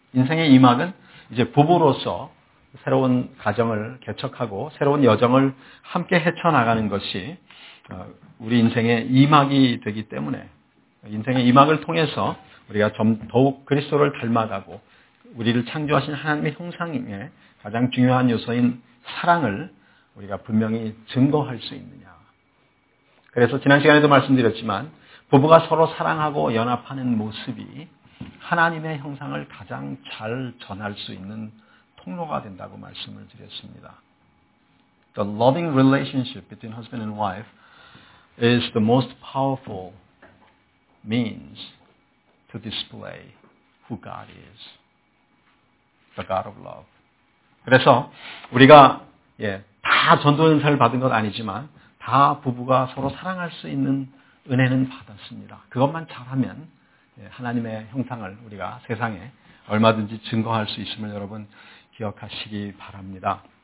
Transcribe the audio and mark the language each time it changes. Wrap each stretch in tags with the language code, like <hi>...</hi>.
<ko>인생의 이막은 이제 부부로서 새로운 가정을 개척하고 새로운 여정을 함께 헤쳐나가는 것이 우리 인생의 이막이 되기 때문에 인생의 이막을 통해서 우리가 좀 더욱 그리스도를 닮아가고 우리를 창조하신 하나님의 형상에 가장 중요한 요소인 사랑을 우리가 분명히 증거할 수 있느냐. 그래서 지난 시간에도 말씀드렸지만 부부가 서로 사랑하고 연합하는 모습이 하나님의 형상을 가장 잘 전할 수 있는 통로가 된다고 말씀을 드렸습니다.</ko> <en>The loving relationship between husband and wife is the most powerful means to display who God is, the God of love.</en> <ko>그래서 우리가 예, 다 전도은사를 받은 건 아니지만 다 부부가 서로 사랑할 수 있는 은혜는 받았습니다. 그것만 잘하면 예, 하나님의 형상을 우리가 세상에 얼마든지 증거할 수 있음을 여러분 기억하시기 바랍니다.</ko>